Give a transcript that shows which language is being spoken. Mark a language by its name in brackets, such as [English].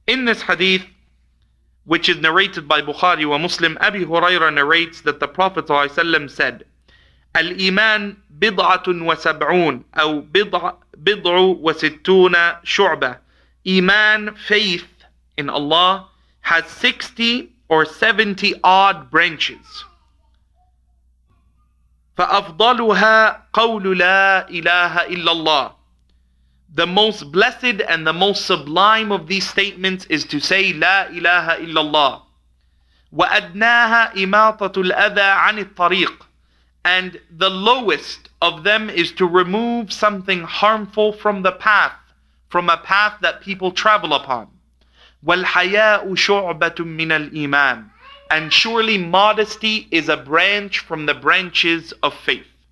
[English] In this hadith, which is narrated by Bukhari wa Muslim, Abu Hurairah narrates that the Prophet ﷺ said, [Arabic] الإيمان بضعة وسبعون أو بضع وستون شعبة. [English] إيمان, faith in Allah, has 60 or 70 odd branches. [Arabic] فأفضلها قول لا إله إلا الله. [English] The most blessed and the most sublime of these statements is to say [Arabic] لا إله إلا الله. وأدناها إماطة الأذى عن الطريق. [English] And the lowest of them is to remove something harmful from the path, from a path that people travel upon. [Arabic] وَالْحَيَاءُ شُعْبَةٌ مِّنَ الْإِيمَانِ. [English] And surely modesty is a branch from the branches of faith.